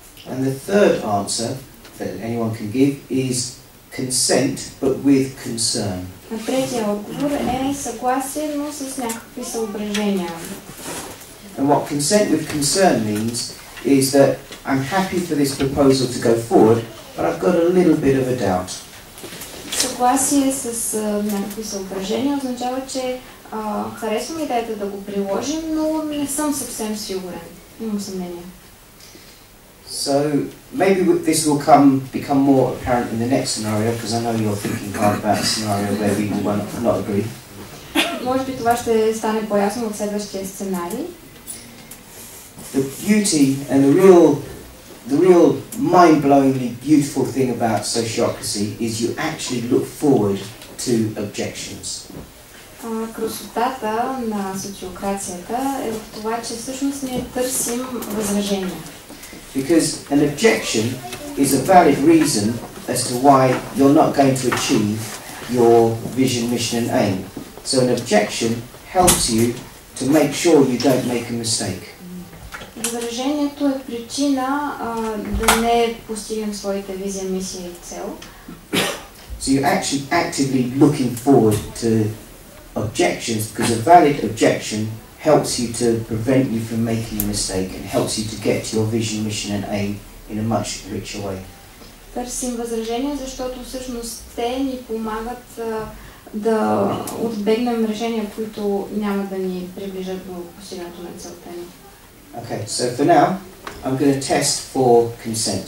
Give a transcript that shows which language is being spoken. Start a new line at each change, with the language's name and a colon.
English: And the third answer that anyone can give is consent, but with concern.
Bulgarian: А третият отговор е съгласие, но с някакви съображения.
English: And what consent with concern means is that I'm happy for this proposal to go forward, but I've got a little bit of a doubt.
Bulgarian: Съгласие с някакви съображения означава, че харесвам идеята да го приложим, но не съм съвсем сигурен. Имам съмнение.
English: So maybe this will become more apparent in the next scenario, because I know you're thinking hard about a scenario where we will not agree.
Bulgarian: Може би това ще стане по-ясно в следващия сценарий.
English: The beauty and the real mind-blowingly beautiful thing about sociocracy is you actually look forward to objections.
Bulgarian: Красотата на социокрацията е в това, че всъщност ние търсим възражения.
English: Because an objection is a valid reason as to why you're not going to achieve your vision, mission and aim. So an objection helps you to make sure you don't make a mistake.
Bulgarian: Възражението е причина да не постигнем своите визия, мисия и цел.
English: So you're actually actively looking forward to objections, because a valid objection helps you to prevent you from making a mistake and helps you to get to your vision, mission and aim in a much richer way.
Bulgarian: Търсим възражения, защото всъщност те ни помагат да отбегнем решения, които няма да ни приближат до постигането на целта ни.
English: Okay, so for now, I'm going to test for consent.